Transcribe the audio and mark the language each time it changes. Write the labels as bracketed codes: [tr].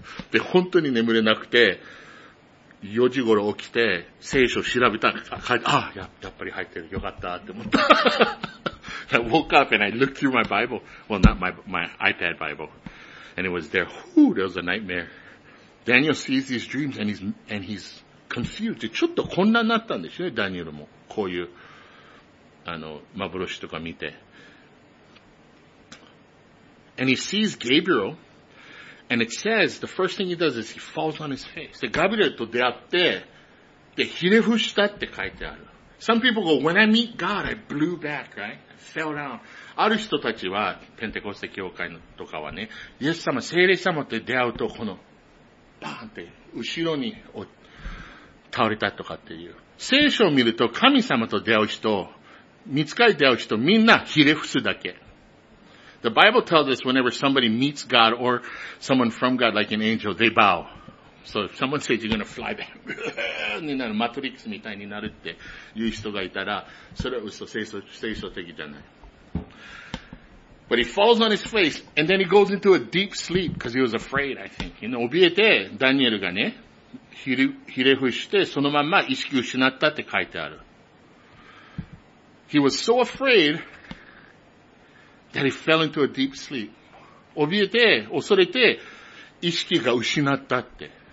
[ja] で、本当に眠れなくて、4時頃起きて、聖書を調べたら、やっぱり入ってる、よかったって思った。 [en] I woke up and I looked through my Bible. Well, not my iPad Bible. And it was there. Whew, that was a nightmare. Daniel sees these dreams and he's confused. [ja] ちょっとこんなになったんでしょうね、ダニエルも。こういう、幻とか見て。 [en] And he sees Gabriel. And it says, the first thing he does is he falls on his face. [ja] で、ガブリエルと出会って、で、ひれ伏したって書いてある。 [en] Some people go, when I meet God, I blew back, right? I fell down. [ja] ある人たちは、ペンテコステ教会のとかはね、イエス様、聖霊様と出会うと、この、バーンって、後ろに倒れたとかっていう。聖書を見ると、神様と出会う人、見つかり出会う人、みんなひれ伏すだけ。 [en] The Bible tells us whenever somebody meets God or someone from God, like an angel, they bow. So if someone says you're going to fly back, [ja] マトリックスみたいになるっていう人がいたら、それは嘘、聖書的じゃない。 [en] But he falls on his face and then he goes into a deep sleep because he was afraid, I think. [ja] You know, 怯えて、ダニエルがね、ひれ伏して、そのまま意識失ったって書いてある。 [en] He was so afraid,that he fell into a deep sleep. [ja] 怯えて、恐れて、意識が失ったって。